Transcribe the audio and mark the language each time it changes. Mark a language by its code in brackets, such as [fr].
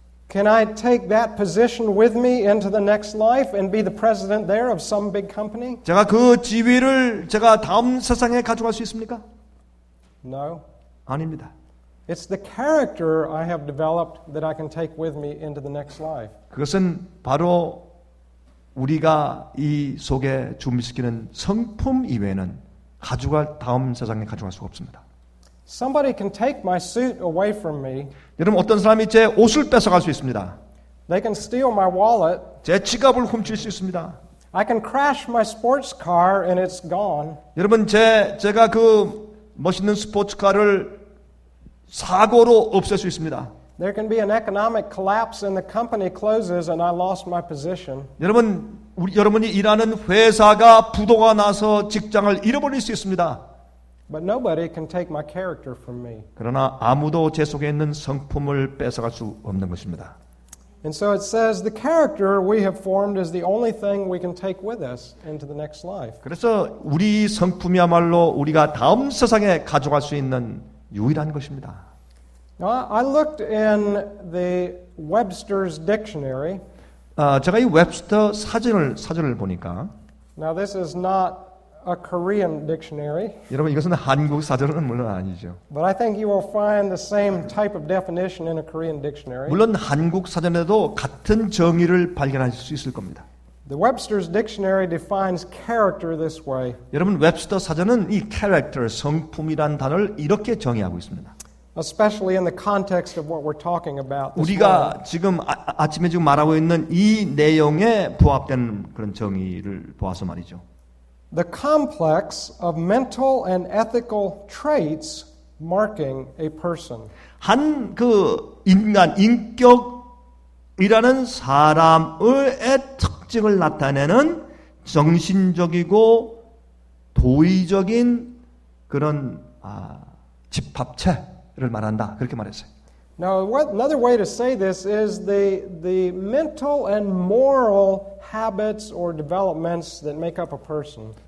[en] can I take that position with me into the next life and be the president there of some big company? [ko] 제가 그 지위를 제가 다음 세상에 가져갈 수 있습니까? [en] No. [ko] 아닙니다. [en] It's the character I have developed that I can take with me into the next life. [ko] 그것은 바로 우리가 이 속에 준비시키는 성품 이외에는 가져갈 다음 세상에 가져갈 수가 없습니다. [en] Somebody can take my suit away from me. [ko] 여러분, 어떤 사람이 제 옷을 뺏어갈 수 있습니다. [en] They can steal my wallet. [ko] 제 지갑을 훔칠 수 있습니다. [en] I can crash my sports car and it's gone. [ko] 여러분, 제가 그 멋있는 스포츠카를 사고로 없앨 수 있습니다. [en] There can be an economic collapse and the company closes and I lost my position. [ko] 여러분, 여러분이 일하는 회사가 부도가 나서 직장을 잃어버릴 수 있습니다. [en] But nobody can take my character from me. [ko] 그러나 아무도 제 속에 있는 성품을 뺏어갈 수 없는 것입니다. [en] And so it says the character we have formed is the only thing we can take with us into the next life. [ko] 그래서 우리 성품이야말로 우리가 다음 세상에 가져갈 수 있는 유일한 것입니다. [en] Now I looked in the Webster's dictionary. [ko] 제가 이 웹스터 사전을 보니까. [en] Now this is not a Korean dictionary. [ko] 여러분, 이것은 한국 사전은 물론 아니죠. [en] But I think you will find the same type of definition in a Korean dictionary. [ko] 물론 한국 사전에도 같은 정의를 발견하실 수 있을 겁니다. [en] The Webster's dictionary defines character this way. [ko] 여러분, 웹스터 사전은 이 character, 성품이란 단어를 이렇게 정의하고 있습니다. [en] Especially in the context of what we're talking about. [ko] 우리가 지금 아침에 지금 말하고 있는 이 내용에 부합된 그런 정의를 보아서 말이죠. [en] the complex of mental and ethical traits marking a person. [ko] 한 그 인간 인격이라는 사람의 특징을 나타내는 정신적이고 도의적인 그런 집합체를 말한다. 그렇게 말했어요. [en] Now, another way to say this is the mental and moral habits or developments that make up a person.